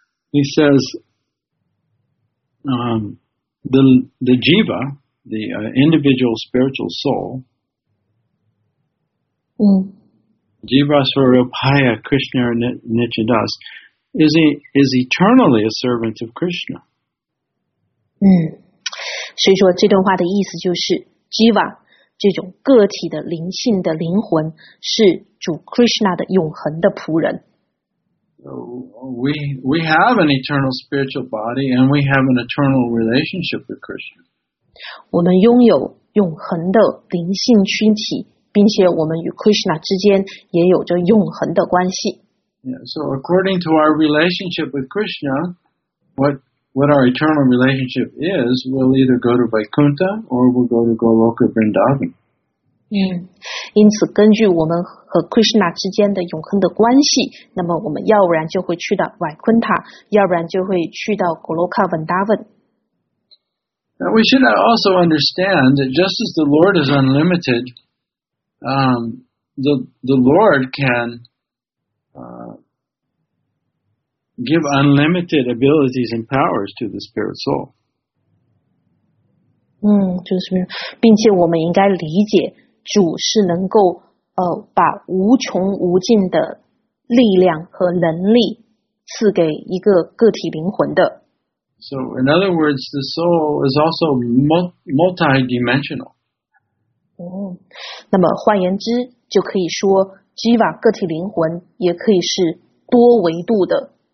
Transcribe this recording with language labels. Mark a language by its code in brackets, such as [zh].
[en] He says, the Jiva, the individual spiritual soul, [sa] Jiva Swarupaya Krishnara Nitya Das, [en] is eternally a servant of Krishna. [zh] 所以说这段话的意思就是，Jiva这种个体的灵性的灵魂是主 Krishna 的永恒的仆人。 [en] We have an eternal spiritual body and we have an eternal relationship with Krishna. [zh] 我们拥有永恒的灵性躯体，并且我们与 Krishna 之间也有着永恒的关系。 [en] Yeah, so according to our relationship with Krishna, what our eternal relationship is, we'll either go to Vaikuntha or we'll go to Goloka Vrindavan. [zh] 嗯，因此根据我们和 Krishna 之间的永恒的关系，那么我们要不然就会去到 Vaikuntha， 要不然就会去到 Goloka Vrindavan。 [en] Now, we should also understand that just as the Lord is unlimited, the Lord can give unlimited abilities and powers to the spirit soul. [zh] 嗯，就是，并且我们应该理解，主是能够把无穷无尽的力量和能力赐给一个个体灵魂的。 [en] So, in other words, the soul is also multi-dimensional. [zh] 那么换言之，就可以说 Jiva 个体灵魂也可以是多维度的。